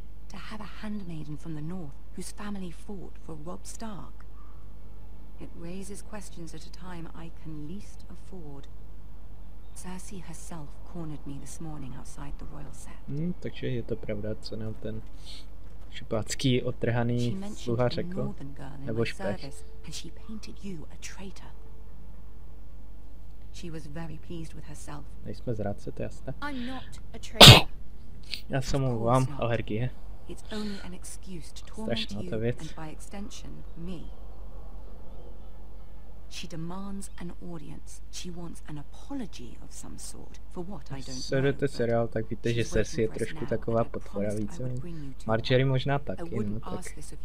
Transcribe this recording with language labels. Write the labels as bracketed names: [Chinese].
[English] To have a handmaiden from the north whose family fought for Robb Stark. It raises questions at a time I can least afford. Cersei herself cornered me this morning outside the Royal Sept. [Czech] Takže je to pravda, co nám ten šupácký otrhaný sluha řekl, nebo špech. [English] And she painted you a traitor. She was very pleased with herself. [Czech] Nejsme zrádce, to je jasné. [English] I'm not a traitor. [Czech] Já se mu vám alergie. [English] It's only an excuse to torment you, and by extension, me. She demands an audience. She wants an apology of some sort for what I don't know. [Czech] Sledujete seriál, tak víte, že Cersei je trošku taková potvora, více. Marjorie možná taky, no tak.